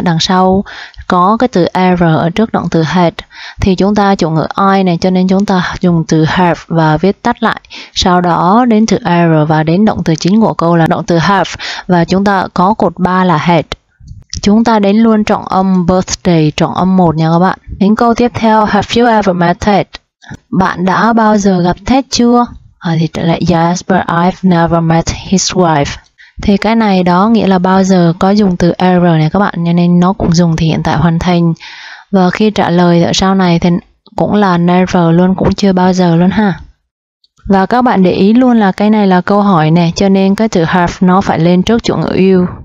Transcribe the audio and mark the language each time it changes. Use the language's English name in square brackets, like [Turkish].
[Vietnamese] Đằng sau có cái từ ever ở trước động từ had, thì chúng ta chủ ngữ I này, cho nên chúng ta dùng từ have và viết tắt lại. Sau đó đến từ ever và đến động từ chính của câu là động từ have, và chúng ta có cột 3 là had. Chúng ta đến luôn trọng âm birthday, trọng âm 1 nha các bạn. Đến câu tiếp theo, [English] have you ever met Ted? [Vietnamese] Bạn đã bao giờ gặp Ted chưa? Thì trở lại [English] yes, but I've never met his wife. [Vietnamese] Thì cái này đó nghĩa là bao giờ, có dùng từ error này các bạn, cho nên nó cũng dùng thì hiện tại hoàn thành. Và khi trả lời ở sau này thì cũng là never luôn, cũng chưa bao giờ luôn ha. Và các bạn để ý luôn là cái này là câu hỏi nè, cho nên cái từ have nó phải lên trước chủ ngữ you.